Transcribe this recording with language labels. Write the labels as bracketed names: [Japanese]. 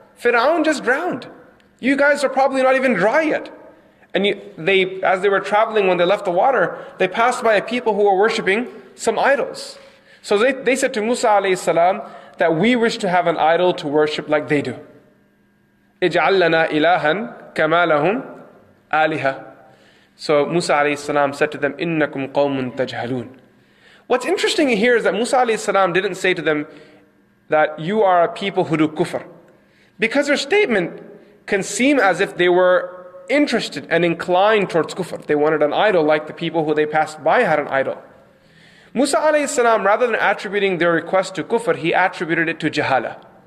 [English] Firaun just drowned. You guys are probably not even dry yet. And as they were traveling, when they left the water, they passed by a people who were worshipping some idols. So they said to Musa alayhi salam that we wish to have an idol to worship like they do. [Arabic] اجعل لنا إلها كما لهم آلهة. [English] So Musa alayhi salam said to them, [Arabic] إنكم قوم تجهلون. [English] What's interesting here is that Musa alayhi salam didn't say to them that you are a people who do kufr. Because their statement can seem as if they were interested and inclined towards kufr. They wanted an idol like the people who they passed by had an idol. Musa alayhi salam, rather than attributing their request to kufr, he attributed it to jahala.